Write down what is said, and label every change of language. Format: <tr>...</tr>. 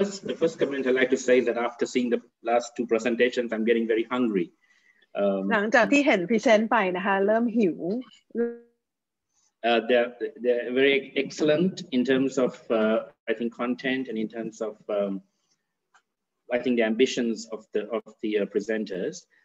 <en>The first comment I'd like to say that after seeing the last two presentations I'm getting very hungry</en> <th>หลังจากที่เห็นพรีเซนต์ไปนะคะเริ่มหิว</th> <en>They're very excellent in terms of I think content and in terms of I think the ambitions of the presenters.</en>